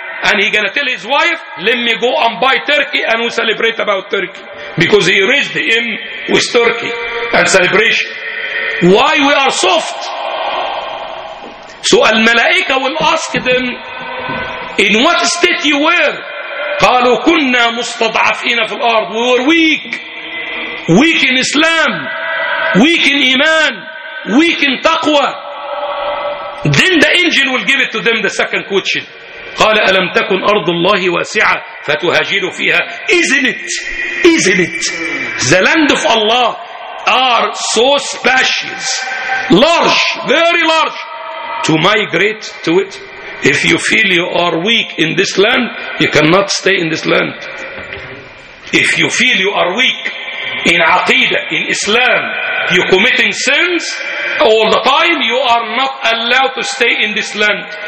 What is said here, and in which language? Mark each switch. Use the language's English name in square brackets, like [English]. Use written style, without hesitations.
[English] and he's gonna tell his wife, let me go and buy turkey and we celebrate about turkey. Because he raised him with turkey and celebration. Why we are soft? So Al Malaika will ask them, in what state you were? [Arabic] قالوا كنا مستضعفين في الأرض. [English] We were weak. Weak in Islam. Weak in Iman. Weak in Taqwa. Then the angel will give it to them, the second question. [Arabic] قال ألم تكن أرض الله واسعة فتهاجروا فيها. [English] Isn't it? The land of Allah are so spacious. Large. Very large. To migrate to it. If you feel you are weak in this land, you cannot stay in this land. If you feel you are weak in aqidah, in Islam, you're committing sins all the time, you are not allowed to stay in this land.